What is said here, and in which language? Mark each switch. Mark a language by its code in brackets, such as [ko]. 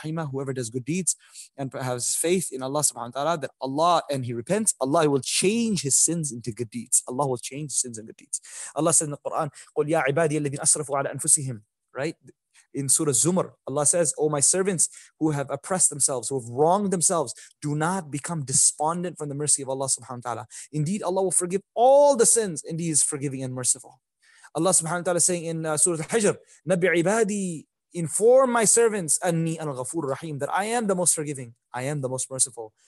[en] Whoever does good deeds and has faith in Allah subhanahu wa ta'ala, that Allah, and he repents, Allah will change his sins into good deeds. Allah will change his sins into good deeds. Allah says in the Quran, [ar] قُلْ يَا عِبَادِيَ الَّذِينَ أَسْرَفُوا عَلَىٰ أَنفُسِهِمْ. [en] Right? In Surah Zumar, Allah says, O my servants who have oppressed themselves, who have wronged themselves, do not become despondent from the mercy of Allah subhanahu wa ta'ala. Indeed, Allah will forgive all the sins, and He is forgiving and merciful. Allah subhanahu wa ta'ala is saying in Surah Al-Hijr, Nabi ibadi, inform my servants, Anni al-Ghafoor Rahim, that I am the most forgiving, I am the most merciful.